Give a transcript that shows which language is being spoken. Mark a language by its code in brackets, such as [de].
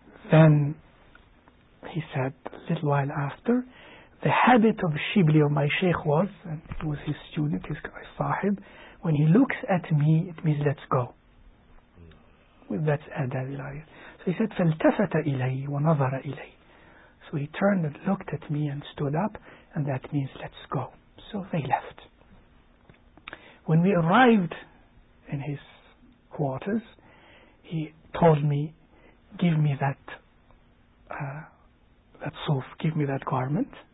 [en] Then he said, a little while after, the habit of Shibli, of my sheikh was, and it was his student, his sahib, when he looks at me, it means let's go. That's adab ilayah. So he said, [ar] فَالْتَفَتَ إِلَيْهِ وَنَظَرَ إِلَيْهِ. [en] So he turned and looked at me and stood up, and that means let's go. So they left. When we arrived in his quarters, he told me, give me that suf, give me that garment.